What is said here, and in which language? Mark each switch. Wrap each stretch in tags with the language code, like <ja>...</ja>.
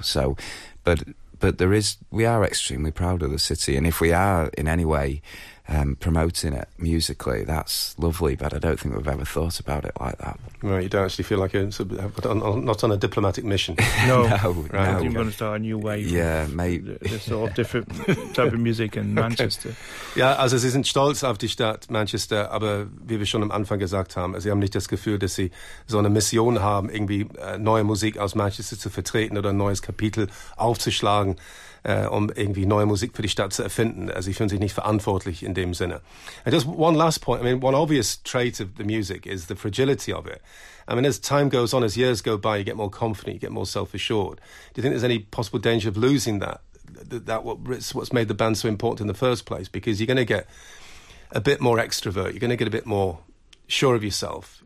<en>So but there is, we are extremely proud of the city, and if we are in any way promoting it musically. That's lovely, but I don't think we've ever thought about it like that. Right, you don't actually feel like you're not on a diplomatic mission. No, no. You're going to start a new wave. Yeah, maybe. This sort of different type of music in Manchester. Okay.</en> <de>Ja, also Sie sind stolz auf die Stadt Manchester, aber wie wir schon am Anfang gesagt haben, Sie haben nicht das Gefühl, dass Sie so eine Mission haben, irgendwie neue Musik aus Manchester zu vertreten oder ein neues Kapitel aufzuschlagen, um irgendwie neue Musik für die Stadt zu erfinden. Also, sie fühlen sich nicht verantwortlich in dem Sinne.</de> <en>And just one last point. I mean, one obvious trait of the music is the fragility of it. I mean, as time goes on, as years go by, you get more confident, you get more self-assured. Do you think there's any possible danger of losing that? That's what's made the band so important in the first place? Because you're going to get a bit more extrovert. You're going to get a bit more sure of yourself.</en>